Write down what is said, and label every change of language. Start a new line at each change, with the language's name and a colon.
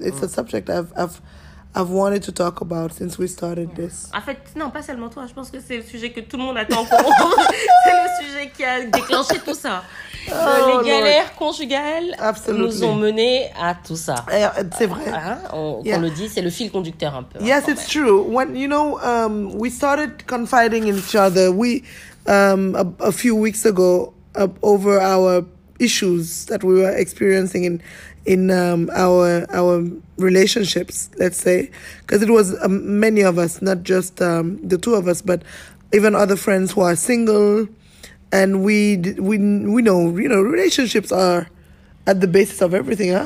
English: It's a subject I've wanted to talk about since we started this.
French: En fait, non, pas seulement toi. Je pense que c'est le sujet que tout le monde attend pour. C'est le sujet qui a déclenché tout ça. Les galères conjugales
English: Absolutely.
French: Nous ont mené à tout ça. C'est vrai. On le dit, c'est le fil conducteur un peu.
English: Yes, it's true. When you know, we started confiding in each other. A few weeks ago, over our issues that we were experiencing in our relationships, let's say, because it was many of us, not just the two of us, but even other friends who are single, and we know relationships are at the basis of everything, huh?